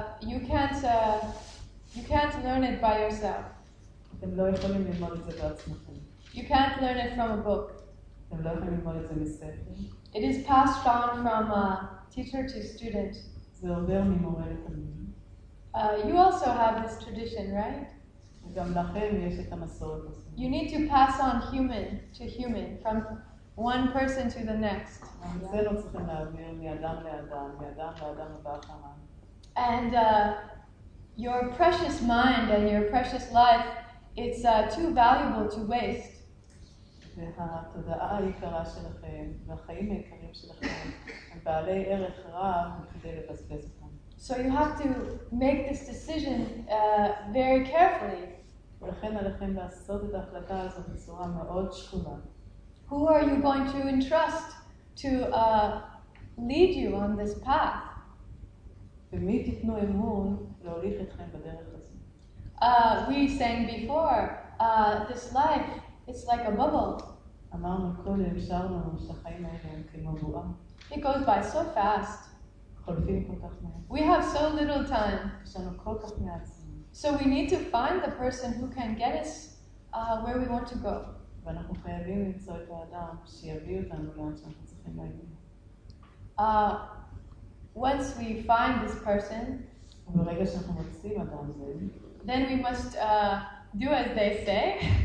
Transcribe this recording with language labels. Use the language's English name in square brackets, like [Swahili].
[English] You can't learn it by yourself. [Hebrew] אתם לא יכולים ללמוד את זה בעצמכם. [English] You can't learn it from a book. [Hebrew] אתם לא יכולים ללמוד את זה מספר. [English] It is passed on from a teacher to student. [Hebrew] זה עובר ממורה לתלמיד. [English] You also have this tradition, right? [Hebrew] גם לכם יש את המסורת הזאת. [English] You need to pass on human to human, from one person to the next. [Hebrew] זה לא צריכים להעביר מאדם לאדם, מאדם לאדם הבא אחריו. [English] And your precious mind and your precious life, it's too valuable to waste. [Hebrew] והתודעה היקרה שלכם והחיים היקרים שלכם הם בעלי ערך רב מכדי לבזבז אותם. [English] So you have to make this decision very carefully. [Hebrew] ולכן עליכם לעשות את ההחלטה הזאת בצורה מאוד שקולה. [English] Who are you going to entrust to lead you on this path? [Hebrew] ומי תיתנו אמון להוליך אתכם בדרך הזאת? [English] We sang before, this life, it's like a bubble. [Hebrew] אמרנו קודם, שרנו שהחיים האלה הם כמו בועה. [English] It goes by so fast. [Hebrew] חולפים כל כך מעט. [English] We have so little time. [Hebrew] יש לנו כל כך מעט. [English] So we need to find the person who can get us where we want to go. [Hebrew] ואנחנו חייבים למצוא את האדם שיביא אותנו לאן שאנחנו צריכים להגיע. [English] Once we find this person, [Hebrew] וברגע שאנחנו מוצאים אדם זה, [English] then we must do as they say